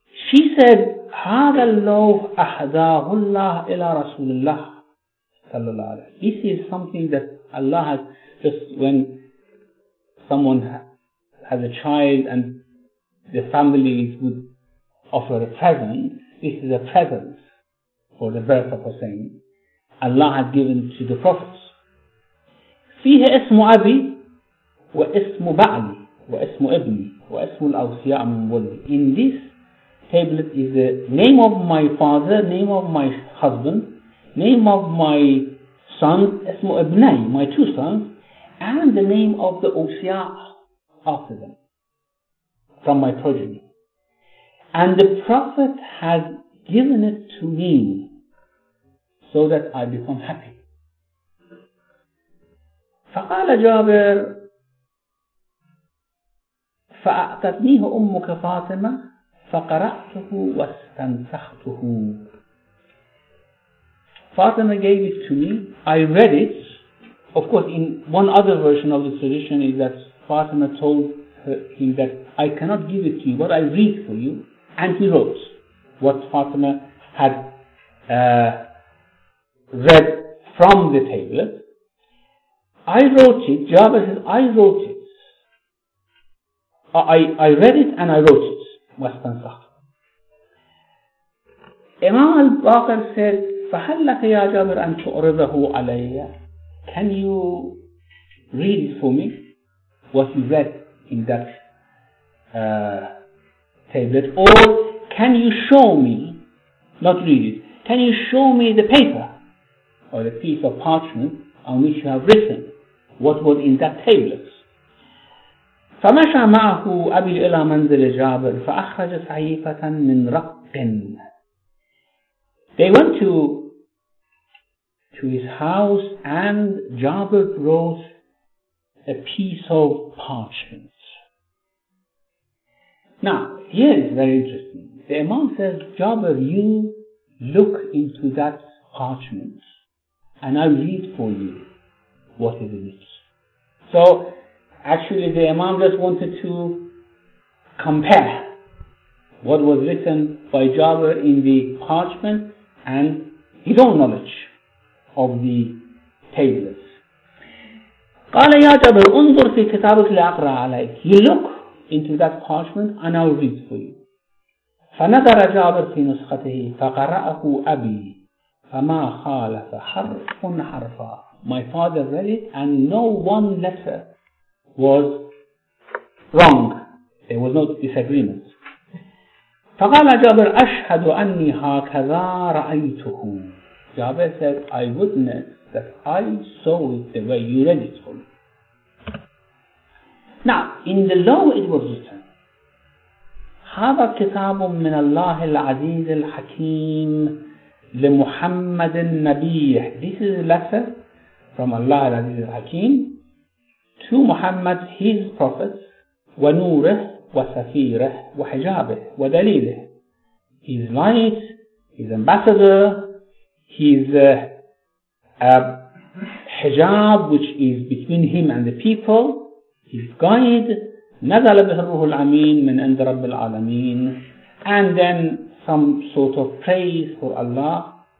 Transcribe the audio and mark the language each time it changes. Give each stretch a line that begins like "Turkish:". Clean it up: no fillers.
English: She said,
Arabic: هذا اللوح أحداه الله إلى رسول الله صلى الله عليه وسلم.
English: This is something that Allah has, just when someone has a child and the family would offer a present, this is a present for the birth of Hussein. Allah had given to the prophets.
Arabic: فيه اسم أبي واسم بعلي واسم ابني واسم الأوصياء من ولي.
English: In this tablet is the name of my father, name of my husband, name of my son,
Arabic: اسم ابني,
English: my two sons, and the name of the أوصياء after them, from my progeny. And the Prophet has given it to me so that I become happy.
Arabic: فقال جابر فأعطتنيه أمك فاطمة فقرأته واستنسخته.
English: Fatima gave it to me. I read it. Of course, in one other version of the tradition is that Fatima told him that I cannot give it to you, but I read for you. And he wrote what Fatima had read from the tablet. I wrote it. Jabir says, I wrote it. I read it and I wrote it. Western Sakh. Imam al-Baqir said,
Arabic: فَحَلَّكَ يَا جَابِرْ أَنْ تُعْرِضَهُ عَلَيَّ.
English: Can you read it for me? What you read in that tablet. Or can you show me, not read it, can you show me the paper or the piece of parchment on which you have written what was in that tablet?
Arabic: فمشى معه أبي إلى منزل جابر فأخرج صحيفة من رق.
English: They went to his house and Jabir wrote a piece of parchment. Now, here is very interesting. The Imam says, Jabir, you look into that parchment and I'll read for you what it is. So, actually, the Imam just wanted to compare what was written by Jabir in the parchment and his own knowledge of the tablets.
Arabic: قال يا جابر انظر في كتابك لأقرأ عليك.
English: You look into that parchment and I'll read for you.
Arabic: فنظر جابر في نسخته فقرأه أبي فما خالف حرف حرفا.
English: My father read it and no one letter was wrong. There was no disagreement.
Arabic: فقال جابر أشهد أني هكذا رأيته.
English: Jabir said, I witnessed that I saw it the way you read it for me. Now, in the law it was written,
Arabic: هذا كتاب من الله العزيز الحكيم لمحمد النبي.
English: This is a letter from Allah
Arabic: العزيز الحكيم
English: to Muhammad, his prophet,
Arabic: ونوره وسفيره وحجابه ودليله.
English: His light, his ambassador, his hijab, which is between him and the people, his guide,
Arabic: نزل به الروح الأمين من عند رب العالمين,
English: and then some sort of praise for Allah.